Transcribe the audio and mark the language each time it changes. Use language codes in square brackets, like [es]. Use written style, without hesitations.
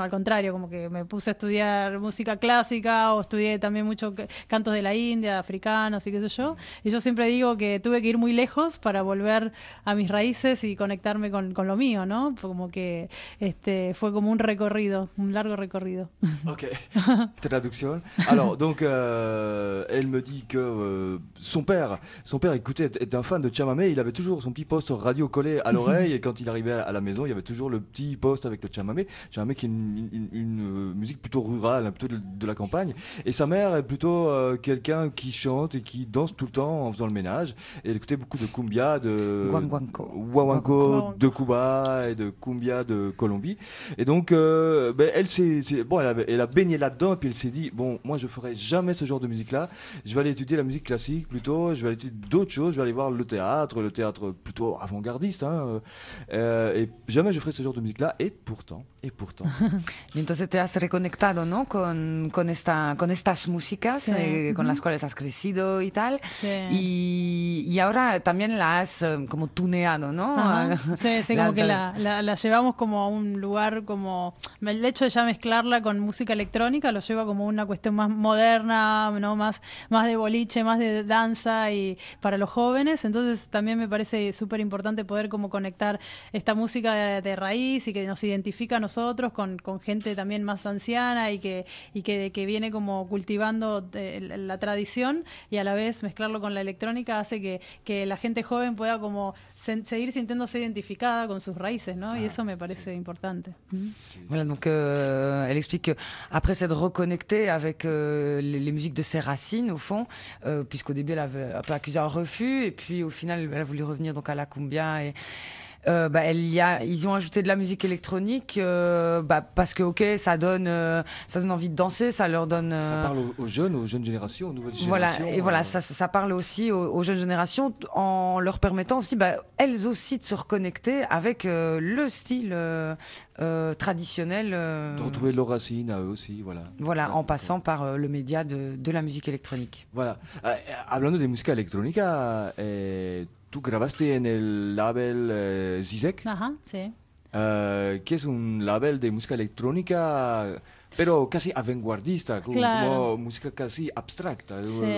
[es] No, al contrario, como que me puse a estudiar música clásica o estudié también mucho cantos de la India, africanos y qué sé yo. Y yo siempre digo que tuve que ir muy lejos para volver a mis raíces y conectarme con lo mío, ¿no? Como que fue como un recorrido, un largo recorrido. Ok. Traducción. [fr] Alors, donc, elle me dit que son père, écoutez, est un fan de chamamé. Il avait toujours son petit poste radio collé à l'oreille et quand il arrivait à la maison, il y avait toujours le petit poste avec le chamamé. Chamamé qui est une musique plutôt rurale, plutôt de la campagne. Et sa mère est plutôt quelqu'un qui chante et qui danse tout le temps en faisant le ménage. Et elle écoutait beaucoup de cumbia, de guanguanco. De Cuba et de cumbia de Colombie. Et donc, elle a baigné là-dedans et puis elle s'est dit, bon, moi, je ne ferai jamais ce genre de musique-là. Je vais aller étudier la musique classique plutôt. Je vais aller étudier d'autres choses. Je vais aller voir le théâtre plutôt avant-gardiste. Hein, et jamais je ferai ce genre de musique-là. Et pourtant. [es] Entonces, te has reconectado, ¿no? con estas músicas sí. Con las cuales has crecido y tal. Sí. Y ahora también las has como tuneado, ¿no? Sí, como que la llevamos como a un lugar como... El hecho de ya mezclarla con música electrónica lo lleva como una cuestión más moderna, ¿no? Más de boliche, más de danza y para los jóvenes. Entonces también me parece súper importante poder como conectar esta música de raíz y que nos identifica a nosotros con gente también más anciana y que viene como cultivando la tradición, y a la vez mezclarlo con la electrónica hace que la gente joven pueda como seguir sintiéndose identificada con sus raíces, ¿no? Y eso me parece importante. [fr] Voilà, donc elle explique qu'après s'être reconnectée avec les musiques de ses racines, au fond, puisqu'au début elle avait un peu accusé un refus, et puis au final elle a voulu revenir donc à la cumbia. Et ils ont ajouté de la musique électronique parce que ok, ça donne envie de danser, ça leur donne ça parle aux jeunes, aux jeunes générations, aux nouvelles générations, voilà, et voilà, ça parle aussi aux jeunes générations en leur permettant aussi elles aussi de se reconnecter avec le style traditionnel, de retrouver leurs racines à eux aussi, voilà en passant par le média de la musique électronique. [es] Voilà, hablando de música electrónica, tú grabaste en el label Zizek. Ajá, sí. Que es un label de música electrónica, pero casi avanguardista, claro. Como música casi abstracta, sí.